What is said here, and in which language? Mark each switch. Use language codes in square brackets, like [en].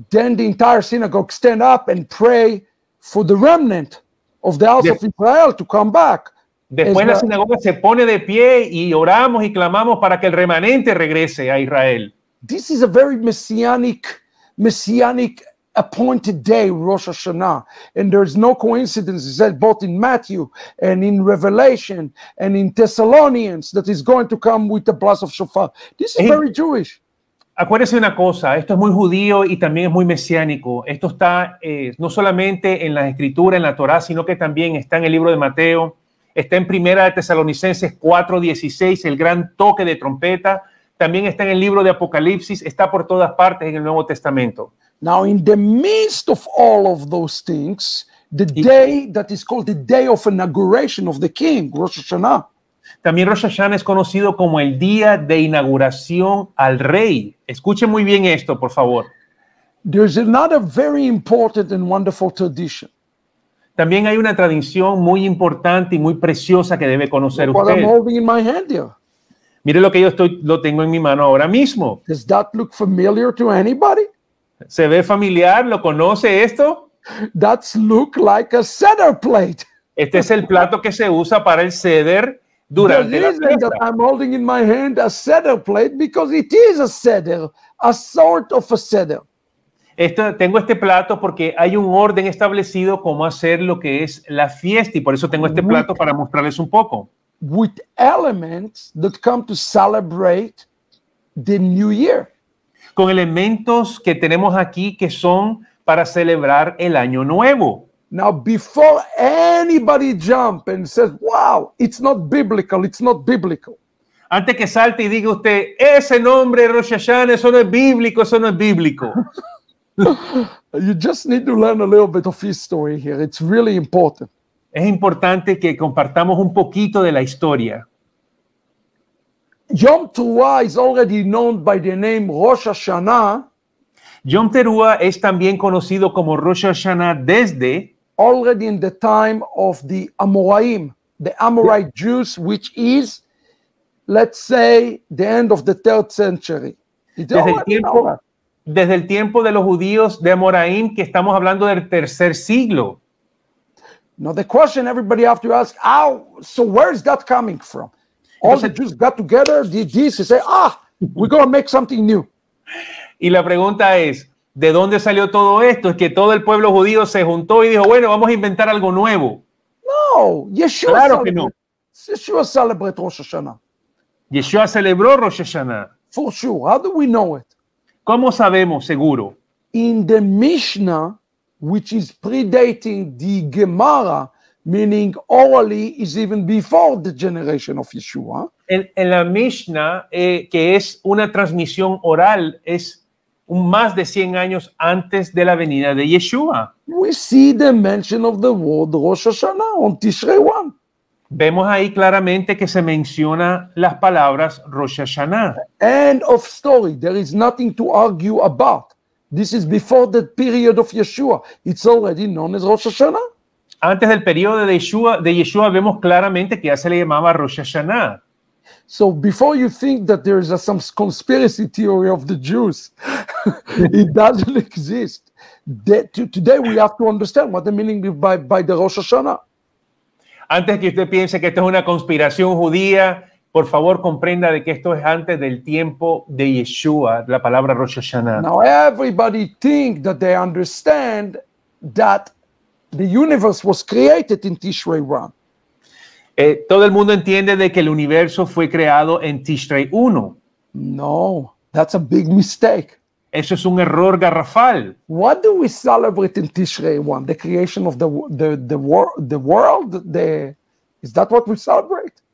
[en] Then the entire synagogue stand up and pray for the remnant of the house of Israel to come back. [es] Después la sinagoga se pone de pie y oramos y clamamos para que el remanente regrese a Israel. [en] This is a very messianic appointed day, Rosh Hashanah, and there is no coincidence that both in Matthew and in Revelation and in Thessalonians that is going to come with the blast of shofar. This is very Jewish. [es] Acuérdese una cosa, esto es muy judío y también es muy mesiánico. Esto está no solamente en la escritura, en la Torá, sino que también está en el libro de Mateo, está en Primera de Tesalonicenses 4:16, el gran toque de trompeta. También está en el libro de Apocalipsis, está por todas partes en el Nuevo Testamento. [en] Now, in the midst of all of those things, the day that is called the day of inauguration of the king, Rosh Hashanah. [es] También Rosh Hashanah es conocido como el día de inauguración al rey. Escuche muy bien esto, por favor. [en] There's another very important and wonderful tradition. [es] También hay una tradición muy importante y muy preciosa que debe conocer [en] what [es] usted. [en] I'm holding in my hand here. [es] Mire lo que yo estoy, lo tengo en mi mano ahora mismo. [en] Does that look familiar to anybody? [es] ¿Se ve familiar? ¿Lo conoce esto? [en] That look like a cedar plate. [es] Este es el plato que se usa para el ceder durante la fiesta. [en] The reason that I'm holding in my hand a cedar plate because it is a cedar, a sort of a cedar. [es] Esto, tengo este plato porque hay un orden establecido cómo hacer lo que es la fiesta y por eso tengo este plato para mostrarles un poco. [en] With elements that come to celebrate the new year. [es] Con elementos que tenemos aquí que son para celebrar el año nuevo. [en] Now, before anybody jump and says, wow, it's not biblical, it's not biblical. [es] Antes que salte y diga usted, ese nombre, Rosh Hashanah, eso no es bíblico, eso no es bíblico. [en] You just need to learn a little bit of history here. It's really important. [es] Es importante que compartamos un poquito de la historia. [en] Yom Teruah is already known by the name Rosh Hashanah. [es] Yom Teruah es también conocido como Rosh Hashanah desde [en] already in the time of the Amoraim, the Amorite Jews, which is, let's say, the end of the 3rd century. [es] Desde el tiempo de los judíos de Amoraim, que estamos hablando del tercer siglo. [en] Now the question everybody have to ask, how, so where is that coming from? All the Jews got together, did this, and say, ah, we're going to make something new. [es] Y la pregunta es, ¿de dónde salió todo esto? Es que todo el pueblo judío se juntó y dijo, bueno, vamos a inventar algo nuevo. No, Yeshua, claro que no. [en] Yeshua celebrated Rosh Hashanah. [es] Yeshua celebró Rosh Hashanah. [en] For sure. How do we know it? [es] ¿Cómo sabemos, seguro? [en] In the Mishnah, which is predating the Gemara, meaning orally is even before the generation of Yeshua. [es] En la Mishnah, que es una transmisión oral, es más de 100 años antes de la venida de Yeshua. [en] We see the mention of the word Rosh Hashanah on Tishrei 1. Vemos ahí claramente que se menciona las palabras Rosh Hashanah. End of story. There is nothing to argue about. This is before the period of Yeshua. It's already known as Rosh Hashanah. [es] Antes del periodo de Yeshua vemos claramente que ya se le llamaba Rosh Hashanah. [en] So before you think that there is some conspiracy theory of the Jews, it doesn't exist. Today we have to understand what the meaning is by the Rosh Hashanah. [es] Antes que usted piense que esto es una conspiración judía, por favor comprenda de que esto es antes del tiempo de Yeshua, la palabra Rosh Hashanah. [en] Now everybody think that they understand that the universe was created in Tishrei 1. [es] Todo el mundo entiende de que el universo fue creado en Tishrei 1. [en] No, that's a big mistake. [es] Eso es un error garrafal. [en] What do we celebrate in Tishrei 1? The creation of the world? Is that what we celebrate?